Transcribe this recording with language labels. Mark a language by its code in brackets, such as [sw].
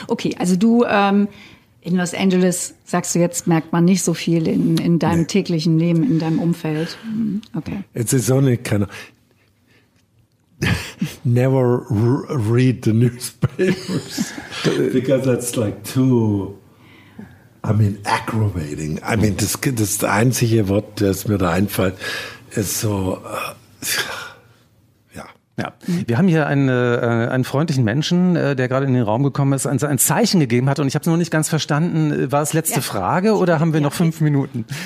[de] Okay, also du in Los Angeles, sagst du jetzt, merkt man nicht so viel in deinem täglichen Leben, in deinem Umfeld. Okay. [en] It's a only kind of never read the newspapers because that's like too, I mean, aggravating. I mean, [de] das einzige Wort, das mir da einfällt, ist so, ja. Wir haben hier einen freundlichen Menschen, der gerade in den Raum gekommen ist, ein Zeichen gegeben hat und ich habe es noch nicht ganz verstanden. War es letzte Frage oder haben wir noch 5 Minuten?